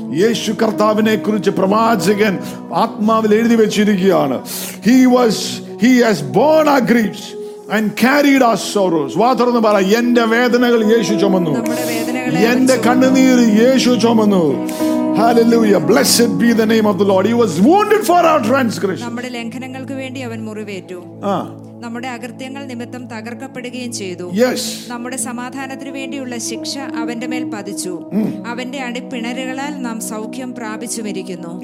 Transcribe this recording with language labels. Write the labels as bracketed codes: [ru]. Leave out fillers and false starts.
[ml] യേശു കർത്താവിനെ കുറിച്ച് പ്രവാചകൻ ആത്മാവിൽ എഴുതി വെച്ചിരിക്കുകയാണ്. [en] He has borne our griefs and carried our sorrows. [ml] വാതുറന്ന് പറ, എന്റെ വേദനകൾ യേശു ചുമന്നു, എന്റെ കണ്ണുനീർ യേശു ചുമന്നു. [en] Hallelujah. Blessed be the name of the Lord. He was wounded for our transgressions. [ml] നമ്മുടെ ലംഘനങ്ങൾക്ക് വേണ്ടി അവൻ മുറിവേറ്റു. നമ്മുടെ അകൃത്യങ്ങൾ നിമിത്തം തകർക്കപ്പെടുകയും ചെയ്തു. നമ്മുടെ സമാധാനത്തിന് വേണ്ടിയുള്ള ശിക്ഷ അവന്റെ മേൽ പതിച്ചു. അവന്റെ അടിപ്പിണരുകളാൽ നാം സൗഖ്യം പ്രാപിച്ചുമിരിക്കുന്നു.